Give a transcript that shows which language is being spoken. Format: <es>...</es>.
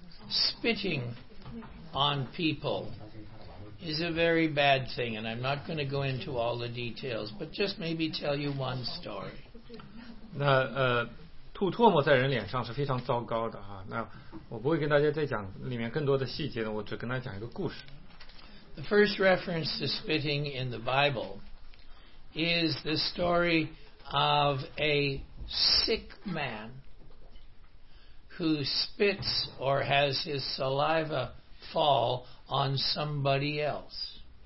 <en>Spitting on people is a very bad thing, and I'm not going to go into all the details, but just maybe tell you one story.</en> <zh>那吐唾沫在人脸上是非常糟糕的哈。那我不会跟大家再讲里面更多的细节的，我只跟大家讲一个故事。</zh> <en>The first reference to spitting in the Bible is the story of a sick man who spits or has his saliva fall on somebody else.</en>